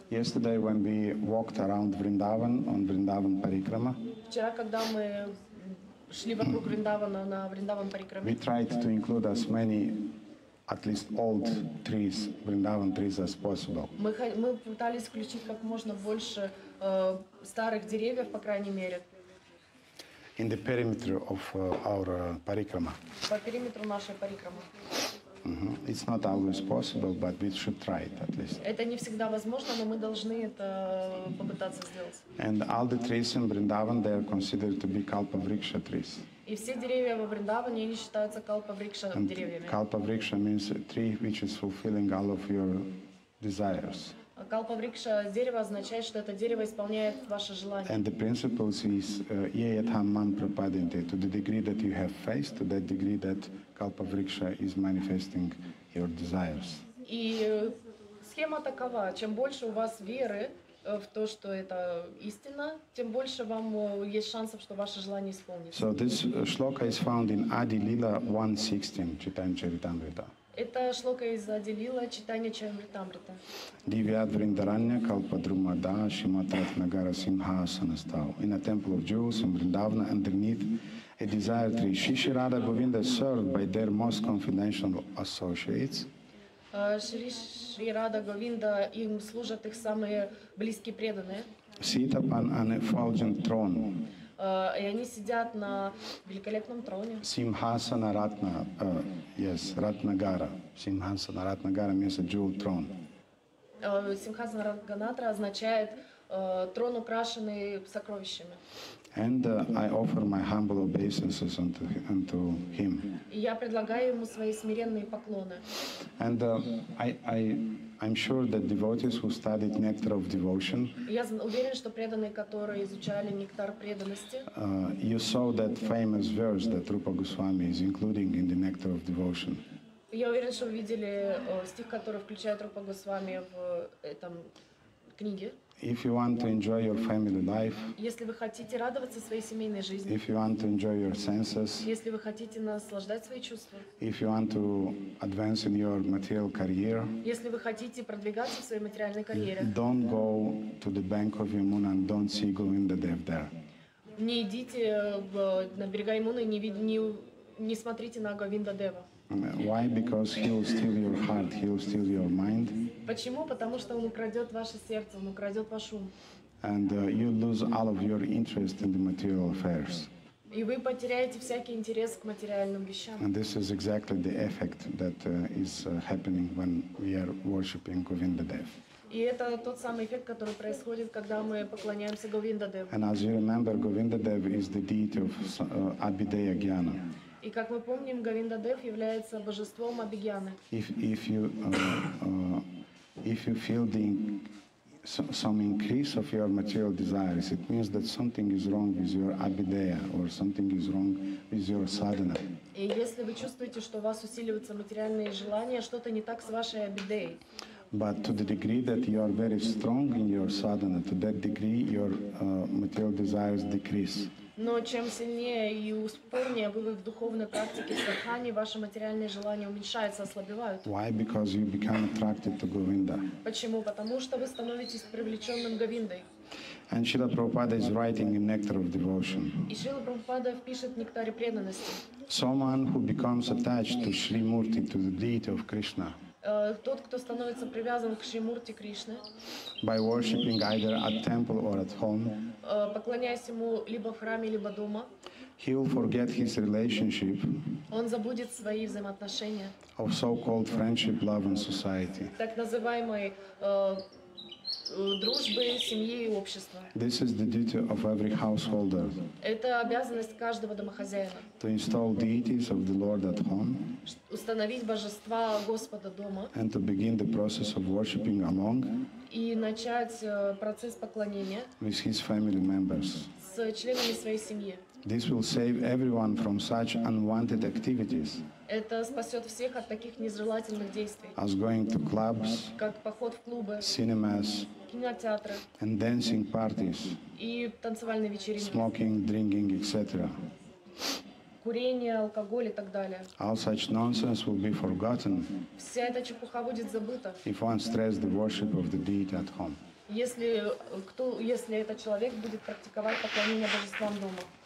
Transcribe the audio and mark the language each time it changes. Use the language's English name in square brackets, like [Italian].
[English] Yesterday when we walked around Vrindavan on Vrindavan Parikrama. [Russian] Вчера, когда мы шли вокруг Вриндавана на Вриндаван Парикраме. [English] We tried to include as many, at least old trees, Vrindavan trees as possible. [Russian] Мы пытались включить как можно больше старых деревьев, по крайней мере. [English] In the perimeter of our Parikrama. [Russian] По периметру нашей Парикрамы. [English] It's not always possible, but we should try it at least. [Russian] Это не всегда возможно, но мы должны это попытаться сделать. [English] And all the trees in Vrindavan, they are considered to be Kalpavriksha trees. [Russian] И все деревья во Вриндаване, они считаются Kalpavriksha деревьями. [English] Kalpavriksha means a tree which is fulfilling all of your desires. [Russian] Kalpavriksha дерево означает, что это дерево исполняет ваши желания. [English] And the principle is [Sanskrit] yayatham man prapadyante, [English] to the degree that you have faith, to that degree that Kalpavriksha is manifesting your desires. [Russian] И схема такова: чем больше у вас веры в то, что это истина, тем больше вам есть шансов, что ваши желания исполнится. [English] So this shloka is found in Adi Lila 1:16, Chaitanya Charitamrita. [Russian] Это шлока из Ади Лила, читание Чаймритамрита. [Sanskrit] Дивиад Вриндаранья Калпадрумада Шиматрат Нагара Симхасана стал. [English] In a temple of jewels in Vrindavana underneath a desire tree. Шиши Рада Говинда served by their most confidential associates. [Russian] Шиши Рада Говинда, им служат их самые близкие преданные. [English] Sit upon an effulgent throne. [Russian] И они сидят на великолепном троне. [Sanskrit] Симхасана Ратна, yes, Ратнагара. [English] Симхасана Ратнагара means a jewel throne. [Russian] Симхасана Ратганатра означает трон, украшенный сокровищами. [English] And I offer my humble obeisances unto him. [Russian] И я предлагаю ему свои смиренные поклоны. [English] And I'm sure that devotees who studied Nectar of Devotion. [Russian] Я уверен, что преданные, которые изучали Нектар преданности. [English] You saw that famous verse that Rupa Goswami is including in the Nectar of Devotion. [Russian] Я уверен, что вы видели стих, который включает Рупа Госвами в этом книге. [English] If you want to enjoy your family life. [Russian] Если вы хотите радоваться своей семейной жизни. [English] If you want to enjoy your senses. [Russian] Если вы хотите наслаждать свои чувства. [English] If you want to advance in your material career. [Russian] Если вы хотите продвигаться в своей материальной карьере. [English] Don't go to the bank of Yamuna and don't see Govinda Dev there. [Russian] Не идите на берега Ямуны и не смотрите на Говинда Дева. [English] Why? Because he will steal your heart, he will steal your mind. [Russian] Почему? Потому что он украдет ваше сердце, он украдет ваш ум. [English] And you lose all of your interest in the material affairs. [Russian] И вы потеряете всякий интерес к материальным вещам. [English] And this is exactly the effect that is happening when we are worshiping Govinda Dev. [Russian] И это тот самый эффект, который происходит, когда мы поклоняемся Говинда Деву. [English] And as you remember, Govinda Dev is the deity of Abhideya Gyana. [Russian] И как мы помним, Говинда Дев является божеством Абигьяны. [English] If you feel the some increase of your material desires, it means that something is wrong with your abideya or something is wrong with your sadhana. [Russian] И если вы чувствуете, что у вас усиливаются материальные желания, что-то не так с вашей abideyей. [English] But to the degree that you are very strong in your sadhana, to that degree your material desires decrease. [Russian] Но чем сильнее и упорнее вы в духовной практике садхане, ваши материальные желания уменьшаются, ослабевают. [English] Why? Because you become attracted to Govinda. [Russian] Почему? Потому что вы становитесь привлеченным Говиндой. [English] And Srila Prabhupada is writing in Nectar of Devotion. [Russian] И Шрила Прабхупада пишет в Нектаре преданности. [English] Someone who becomes attached to Shri Murti, to the deity of Krishna. [Russian] Тот, кто становится привязан к Шримурти Кришне. [English] By worshipping either at temple or at home. [Russian] Поклоняясь ему либо в храме, либо дома. [English] He will forget his relationship. [Russian] Он забудет свои взаимоотношения. [English] Of so-called friendship, love and society. [Russian] Так называемой дружбы, семьи и общества. [English] This is the duty of every householder. [Russian] Это обязанность каждого домохозяина. [English] To install deities of the Lord at home. [Russian] Установить божества Господа дома. [English] And to begin the process of worshiping along. [Russian] И начать процесс поклонения. [English] With his family members. [Russian] С членами своей семьи. [English] This will save everyone from such unwanted activities. [Russian] Это спасет всех от таких нежелательных действий. [English] As going to clubs. [Russian] Как поход в клубы. [English] Cinemas. [Russian] Кинотеатры. [English] And dancing parties. [Russian] И танцевальные вечеринки. [English] Smoking, drinking, etc. [Russian] Курение, алкоголь и так далее. [English] All such nonsense will be forgotten. [Russian] Вся эта чепуха будет забыта. [English] If one stresses the worship of the deity at home. [Russian] Если этот человек будет практиковать поклонение божествам дома.